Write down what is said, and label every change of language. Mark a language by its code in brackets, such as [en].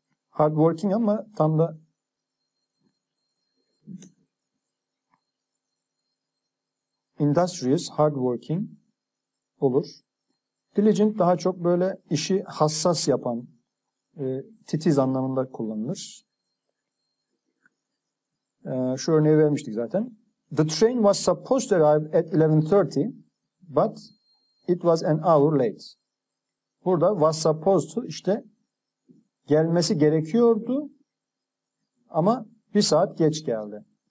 [tr] Hardworking ama tam da industrious, hardworking olur. Diligent daha çok böyle işi hassas yapan, titiz anlamında kullanılır. Şu örneği vermiştik zaten. [en] The train was supposed to arrive at 11:30, but it was an hour late. [tr] Burada [en] was supposed to, [tr] işte gelmesi gerekiyordu ama bir saat geç geldi.